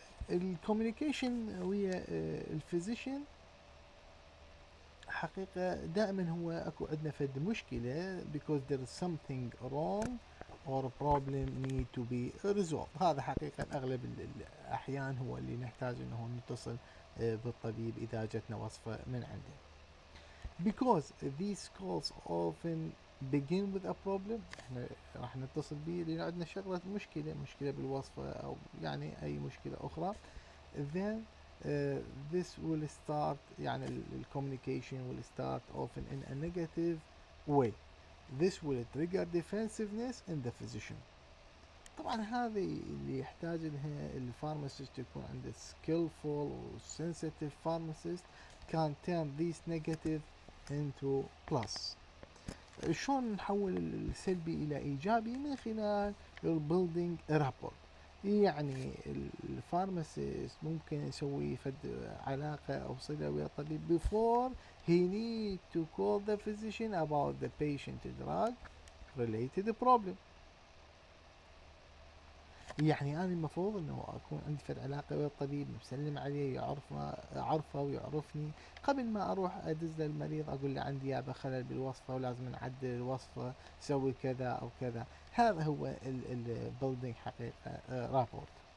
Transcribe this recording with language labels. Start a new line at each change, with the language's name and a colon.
Arabic: الكوميونيكيشن ويا الفيزيشن حقيقه دائما هو اكو عندنا فد مشكله
English: because there is something wrong or problem need to be resolved.
Arabic: هذا حقيقة أغلب الأحيان هو اللي نحتاج أنه نتصل بالطبيب إذا جتنا وصفة من عنده.
English: Because these calls often begin with a problem.
Arabic: إحنا راح نتصل به لأن عندنا شغلة مشكلة بالوصفة أو يعني أي مشكلة أخرى.
English: Then this will start يعني الcommunication will start often in a negative way. This will trigger defensiveness in the physician.
Arabic: طبعا هذه اللي يحتاج لها الفارماسيست يكون عنده
English: skillful و sensitive pharmacist can turn these negative into plus.
Arabic: شلون نحول السلبي الى ايجابي؟ من خلال
English: building a rapport.
Arabic: يعني الفارماسيست ممكن يسوي فد علاقة او صلة ويا الطبيب
English: before he need to call the physician about the patient drug related problem.
Arabic: يعني انا المفروض انه اكون عندي فد علاقة ويا الطبيب مسلم عليه يعرفه ويعرفني قبل ما اروح ادز للمريض اقول له عندي يابا خلل بالوصفة ولازم نعدل الوصفة سوي كذا او كذا. هذا هو ال building حقيقة رابورت.